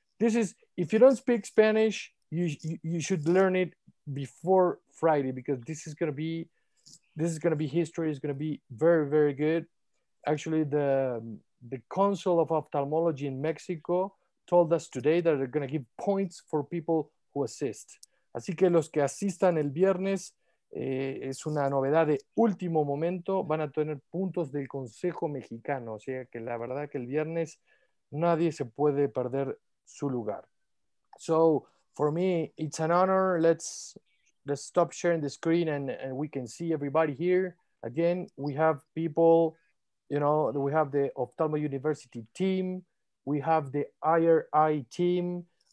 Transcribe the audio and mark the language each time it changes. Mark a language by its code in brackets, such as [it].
[en] This is, if you don't speak Spanish, you should learn it before Friday, because this is going to be history. It's going to be very, very good. Actually, the Council of Ophthalmology in Mexico told us today that they're going to give points for people who assist. [es] Así que los que asistan el viernes, es una novedad de último momento, van a tener puntos del Consejo Mexicano. O sea que la verdad que el viernes nadie se puede perder su lugar. [en] So, for me, it's an honor. Let's stop sharing the screen and we can see everybody here. Again, we have people, you know, we have the Ophthalmo University team. We have the IRI team.